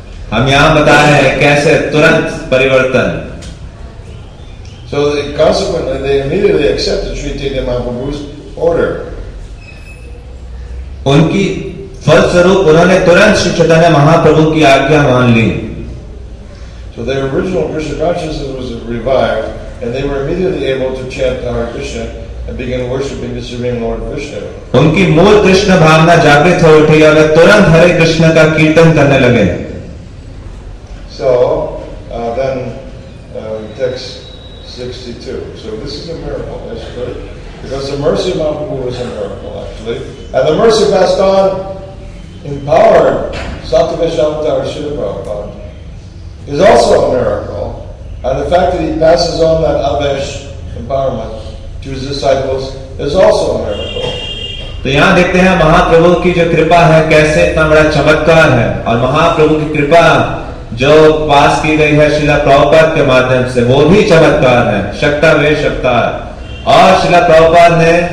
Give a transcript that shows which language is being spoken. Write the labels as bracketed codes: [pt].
[hi] हम यहाँ बता रहे हैं कैसे तुरंत परिवर्तन। [en] So they, consequently, they immediately accepted Sri Chaitanya Mahaprabhu's order. [hi] उनकी फलस्वरूप उन्होंने तुरंत श्री चैतन्य महाप्रभु की आज्ञा मान ली. [en] So their original Krishna consciousness was revived, and they were immediately able to chant the Hare Krishna and begin worshiping the Supreme Lord Krishna. [hi] उनकी मूल कृष्ण भावना जागृत हो उठी और वे तुरंत हरे कृष्ण का कीर्तन करने लगे. [en] So then text 62. So this is a miracle, that's good. Because the mercy of Mahaprabhu was a miracle, actually. And the mercy passed on, empowered Satyavishavatara Srila Prabhupada, is also a miracle. And the fact that he passes on that avesh empowerment to his disciples is also a miracle. [hi] तो यहाँ देखते हैं महाप्रभु की जो कृपा है कैसे इतना बड़ा चमत्कार है और महाप्रभु की कृपा जो पास की गई है श्रीला प्रभुपाद के माध्यम से वो भी चमत्कार है शक्ता वे शक्ता है और श्रीला प्रभुपाद ने